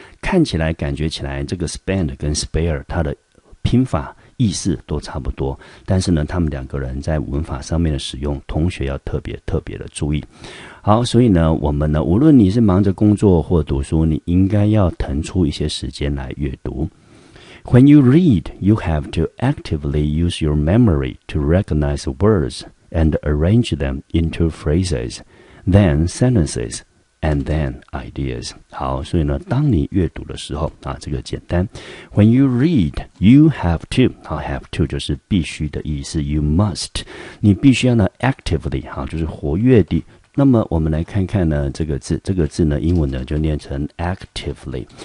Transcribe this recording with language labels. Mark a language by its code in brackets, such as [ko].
[zh] 看起来感觉起来，这个 spend 跟 spare 它的拼法意思都差不多，但是呢他们两个人在文法上面的使用，同学要特别特别的注意。好，所以呢我们呢，无论你是忙着工作或读书，你应该要腾出一些时间来阅读。 [en] When you read, you have to actively use your memory to recognize words and arrange them into phrases, then sentences,and then ideas。 [zh] 好，所以呢当你阅读的时候啊，这个简单。 [en] When you read, you have to， [zh] 好， have to 就是必须的意思， [en] you must， [zh] 你必须要呢 actively， 好，就是活跃地。那么我们来看看呢这个字，这个字呢英文呢就念成 actively。